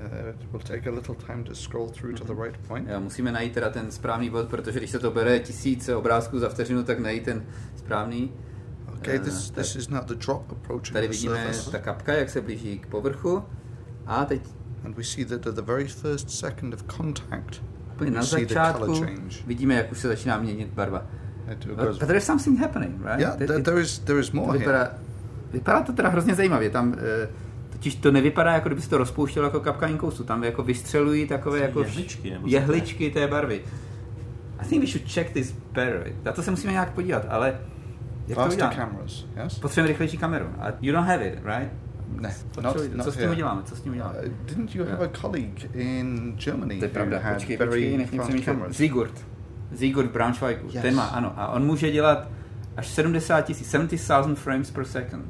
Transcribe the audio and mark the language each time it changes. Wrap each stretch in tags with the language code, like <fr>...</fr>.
<en>It will take a little time to scroll through to the right point.</en> <cs>Jo, musíme najít teda ten správný bod, protože když se to bere tisíce obrázků za vteřinu, tak najít ten správný.</cs> <en>Okay, this is not the drop approaching the surface.</en> <cs>Tady vidíme ta kapka, jak se blíží k povrchu. A teď...</cs> <en>And we see that at the very first second of contact,</en> <cs>na začátku vidíme, jak už se začíná měnit barva.</cs> <en>But there is something happening, right? Yeah, there is more here.</en> <cs>Vypadá to teda hrozně zajímavě, tam... Totiž to nevypadá, jako kdyby se to rozpouštělo jako kapka inkoustu. Tam jako vystřelují takové jako jehličky té barvy.</cs> <en>I think we should check this better.</en> <cs>Na to se musíme nějak podívat, ale jak</cs> <en>faster</en> <cs>to udělám?</cs> <en>Cameras, yes?</en> <cs>Potřebujeme rychlejší kameru.</cs> <en>You don't have it, right?</en> <cs>Ne. Co s tím uděláme?</cs> <en>Didn't you have a colleague in Germany?</en> <cs>To je pravda, počkej, Sigurd. Sigurd Braunschweig.</cs> <en>Yes.</en> <cs>Ten má, ano. A on může dělat až 70,000</cs> <en>frames per second.</en>